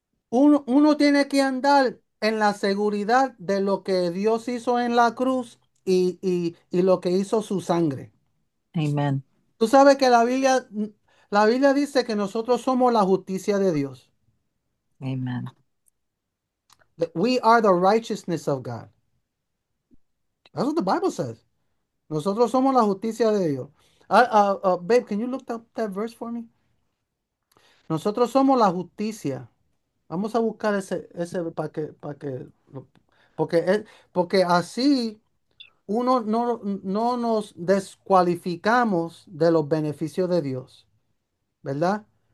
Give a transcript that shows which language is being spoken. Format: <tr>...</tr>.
<es>Uno tiene que andar en la seguridad de lo que Dios hizo en la cruz y lo que hizo su sangre. Amén. Tú sabes que la Biblia dice que nosotros somos la justicia de Dios. Amén.</es> <en>That we are the righteousness of God. That's what the Bible says.</en> <es>Nosotros somos la justicia de Dios.</es> <en>Babe, can you look up that verse for me?</en> <es>Nosotros somos la justicia. Vamos a buscar ese para que porque así uno no nos descualificamos de los beneficios de Dios, ¿verdad?</es>